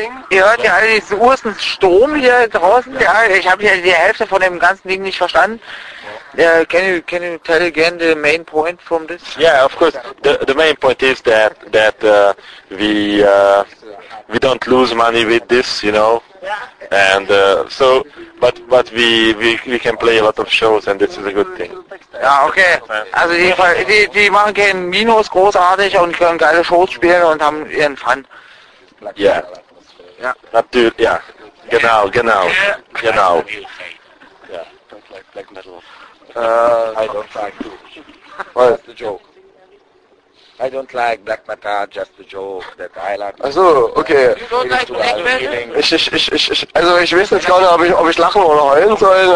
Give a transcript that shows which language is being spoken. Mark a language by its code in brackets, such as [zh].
[de] Ihr hört ja alle die großen Sturm hier draußen. Ja. Ich habe ja die Hälfte von dem ganzen Ding nicht verstanden. Ja. [en] Can you tell again the main point from this? Yeah, of course. The main point is that we don't lose money with this, you know. And so we can play a lot of shows, and this is a good thing. [de] Ja, okay. Also die machen keinen Minus großartig und können geile Shows spielen und haben ihren Fun. [en] Yeah. [de] Ja. Natürlich, ja. Genau. Genau. [en] Ja. Black metal. I don't like to. What? Just the joke. I don't like black metal, just the joke that I like. [de] Also, okay. [en] You don't like black metal? [de] Ich weiß jetzt gar nicht, ob ich lachen oder heulen soll.